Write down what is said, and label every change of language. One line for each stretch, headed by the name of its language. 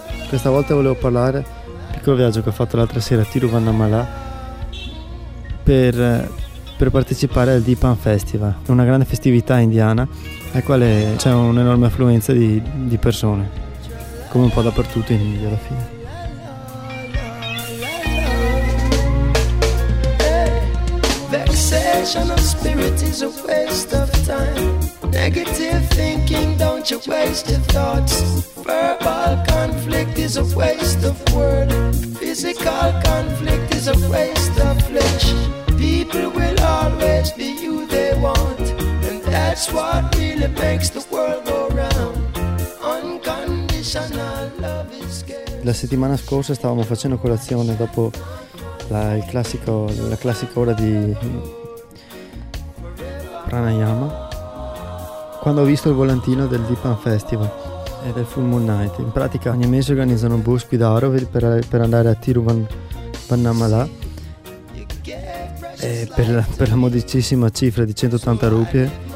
Italian: Questa volta volevo parlare del piccolo viaggio che ho fatto l'altra sera a Tiruvannamalà per partecipare al Dipan Festival, una grande festività indiana al quale c'è un'enorme affluenza di persone, come un po' dappertutto in India alla fine.
English: Vexation of spirit is a waste of time. Negative thinking, don't you waste your thoughts. Verbal conflict is a waste of word. Physical conflict is a waste of flesh. People will always be you they want, and that's what really makes the world go round. Unconditional love is scarce.
Italian: La settimana scorsa stavamo facendo colazione dopo la classica ora di pranayama, quando ho visto il volantino del Dipan Festival e del Full Moon Night. In pratica ogni mese organizzano un bus qui da Auroville per andare a Tiruvannamalà per la modicissima cifra di 180 rupie.